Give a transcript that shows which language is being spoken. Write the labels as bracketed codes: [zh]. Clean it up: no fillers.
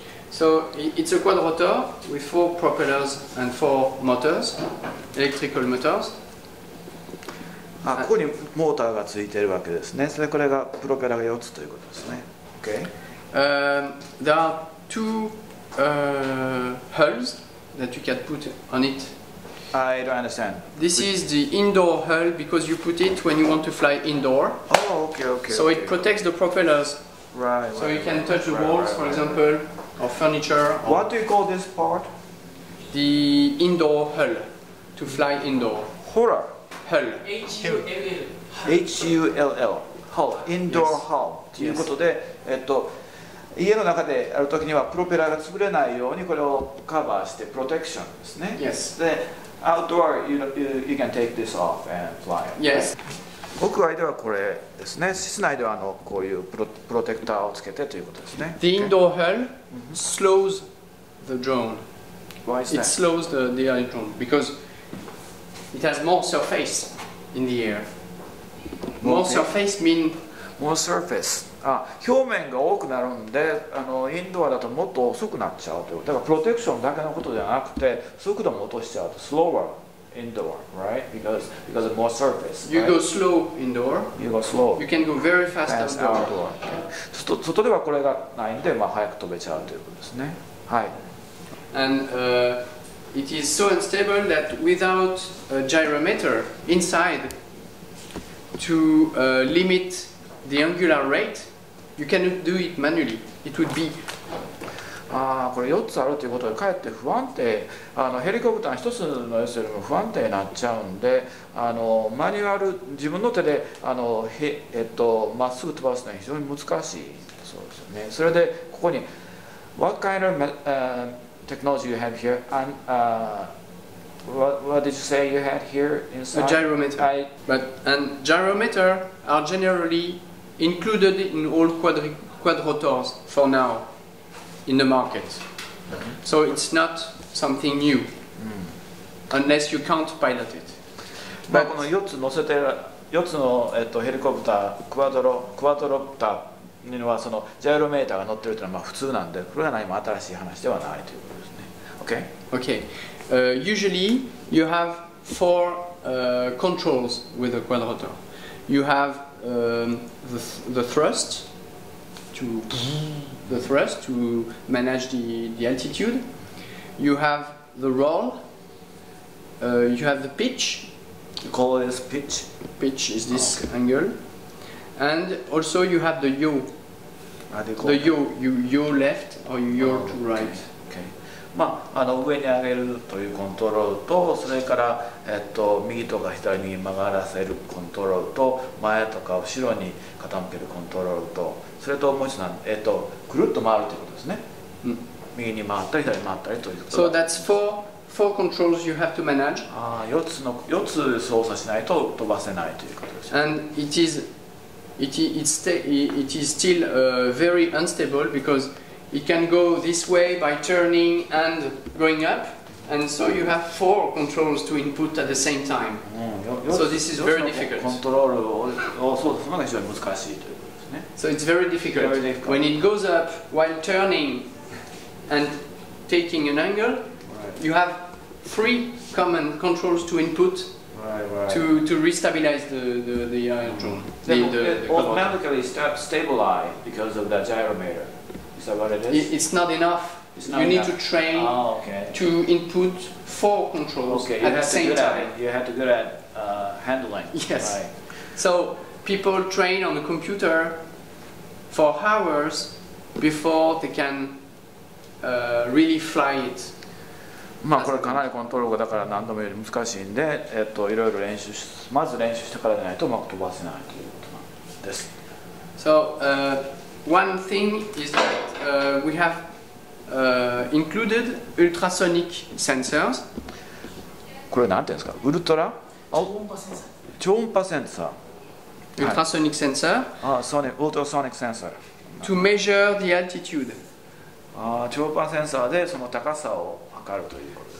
[en] So it's a quadrotor with four propellers and four motors, electrical motors. [ja] ここにモーターがついているわけですね。それこれがプロペラが4つということですね。 [en] Okay. There are two hulls that you can put on it. I don't understand. This is the indoor hull because you put it when you want to fly indoor. Oh, okay, okay. So it protects the propellers. Right. So you can touch the walls, for example, or furniture. Or what do you call this part? The indoor hull to fly indoor. Horror. Hull. H-U-L-L. Hull. Indoor hull. [ja] ということで、家の中でやるときにはプロペラが潰れないようにこれをカバーしてプロテクションですね。 [en] で、outdoor you can take this off and fly. Yes. [ja] 屋外ではこれですね。室内ではこういうプロテクターをつけてということですね。 [en] The indoor hull slows the drone. Why is that? It slows the AR drone because it has more surface in the air. More surface mean more surface. [ja] 表面が多くなるんで、インドアだともっと遅くなっちゃうということ。だからプロテクションだけのことじゃなくて、速度も落としちゃうと、 [en] slower indoor, right? Because of more surface. You go slow indoor. You go slow. You can go very fast outdoor. [ja] 外ではこれがないんで、早く飛べちゃうということですね。はい。 [en] And it is so unstable that without a gyrometer inside to limit. The angular rate, you cannot do it manually. It would be. [ja] これ4つあるということでかえって不安定。ヘリコプター1つのやつよりも不安定になっちゃうんで、マニュアル自分の手でまっすぐ飛ばすのは非常に難しい。そうですよね。それでここに [en] What kind of technology you have here? And what did you say you had here inside? A gyrometer. And gyrometer are generally included in all quadrotors for now in the market. So it's not something new, unless you can't pilot it. [ja] But この4つ乗せてる4つのヘリコプター、クワドロプターにはそのジャイロメーターが乗ってるというのは普通なんで、これは何も新しい話ではないということですね。 [en] Okay? Okay. Usually you have four controls with a quadrotor. You haveThe thrust to manage the altitude. You have the roll. You have the pitch. You call this pitch. Pitch is this angle. And also you have the yaw. The yaw. You yaw left or you yaw to right. Okay. [ja] 上に上げるというコントロールと、それから右とか左に曲がらせるコントロールと、前とか後ろに傾けるコントロールと、それともう一つくるっと回るということですね。右に回ったり左に回ったりということ。 [en] So that's four controls you have to manage. [ja] 4つ操作しないと飛ばせないということです。 [en] And it is still very unstable because. It can go this way by turning and going up, and so you have four controls to input at the same time. So this is very difficult. Control is very difficult. So it's very difficult. When it goes up while turning and taking an angle, you have three common controls to input. To restabilize the AR drone. Automatically stabilize because of the gyrometer. It's not enough. Need to train to input four controls at the same time. You have to be good at handling. Yes. Right. So people train on the computer for hours before they can really fly it. [ja] これかなりコントロールだから何度もより難しいんで、いろいろ練習し、まず練習してからじゃないとうまく飛ばせないということなんです。 [en] So, one thing is that we have included ultrasonic sensors. [ja] これなんていうんですか？ウルトラ？超音波センサー。超音波センサー。 [en] Ultrasonic sensor. Ultrasonic sensor. To measure the altitude. [ja] 超音波センサーでその高さを測るということで